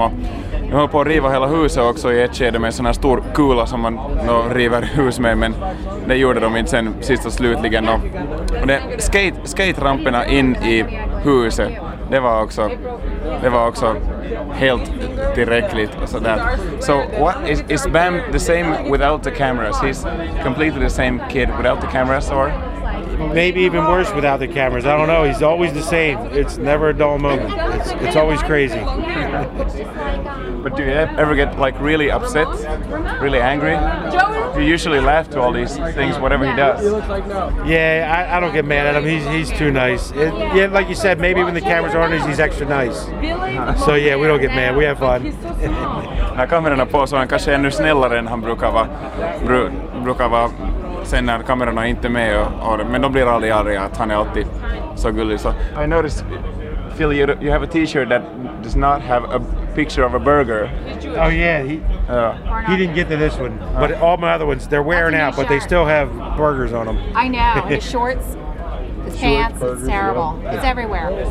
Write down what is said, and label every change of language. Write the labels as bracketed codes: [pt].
[sv] Och nu håller på att riva hela huset också i ett skede med en sån här stor kula som man då river hus med, men det gjorde de inte sen sist och slutligen. Och det skate-ramperna in i huset, det var också helt tillräckligt och sådär. [en] So what is Bam the same without the cameras? He's completely the same kid without the cameras, or? Maybe even worse without the cameras. I don't know. He's always the same. It's never a dull moment. It's always crazy. But do you ever get like really upset, really angry? You usually laugh to all these things, whatever he does. Yeah, I don't get mad at him. He's too nice. Yeah, like you said, maybe when the cameras aren't, he's extra nice. So yeah, we don't get mad. We have fun. [sv] När kameran är på så är han kanske ännu snällare än han brukar vara. Sen när kamerorna är inte med, men de blir aldrig arga, att han är alltid så gullig. Så. [en] I noticed, Phil, you have a t-shirt that does not have a picture of a burger. Oh yeah, he didn't get to this one. But all my other ones, they're wearing out, but they still have burgers on them. I know, the shorts. It's pants is terrible. Yeah. It's everywhere.